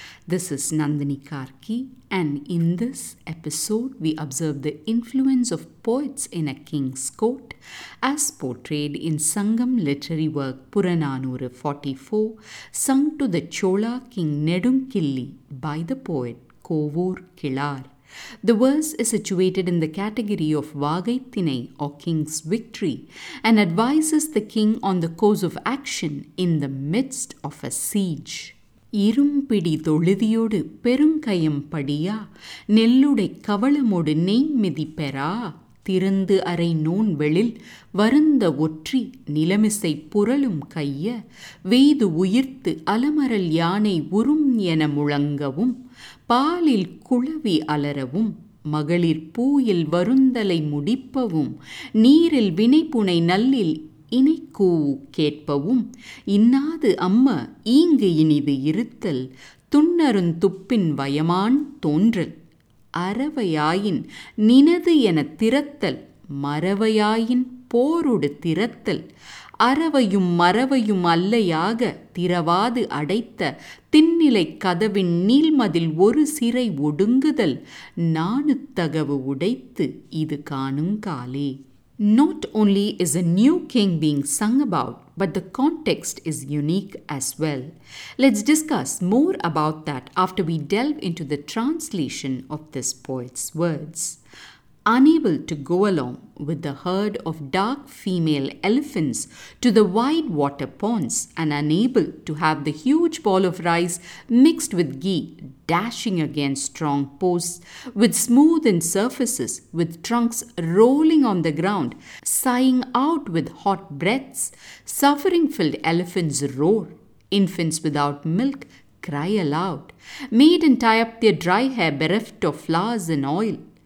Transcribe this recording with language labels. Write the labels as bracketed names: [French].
[English] This is Nandini Karki, and in this episode we observe the influence of poets in a king's court as portrayed in Sangam literary work Purananuru 44 sung to the Chola king Nedunkilli by the poet Kovoor Kilar. The verse is situated in the category of Vagaithinai or King's Victory and advises the king on the course of action in the midst of a siege. [Tamil] இரும்பிடி தொழுதியோடு பெருங்கயம் படியா நெல்லுடை கவளமோடு நெய்மிதி பெறா திருந்து அரை known வெளில் வருந்த ஒற்றி நிலமிசை புரளும் கைய வெய்து உயிர்த்து அலமரல் யானை உறும் என முழங்கவும் பாலில் குழவி அலரவும் மகளிர் பூயில் வருந்தலை முடிப்பவும் நீரில் வினைப்புனை நல்லில் இணைக்கூ கேட்பவும் இன்னாது அம்ம ஈங்கு இனிது இருத்தல் துண்ணருந் துப்பின் வயமான் தோன்றல் அறவையாயின் நினது என திறத்தல் மறவையாயின் போரொடு திறத்தல் அறவையும் மறவையும் அல்லையாக திறவாது அடைத்த திண்ணிலை கதவின் நீள்மதில் ஒரு சிறை ஒடுங்குதல் நாணுத்தகவு உடைத்து இது காணும் காலே. [English] Not only is a new king being sung about, but the context is unique as well. Let's discuss more about that after we delve into the translation of this poet's words. Unable to go along with the herd of dark female elephants to the wide water ponds and unable to have the huge ball of rice mixed with ghee dashing against strong posts with smoothened surfaces, with trunks rolling on the ground, sighing out with hot breaths, suffering-filled elephants roar, infants without milk cry aloud, maiden tie up their dry hair bereft of flowers and oil.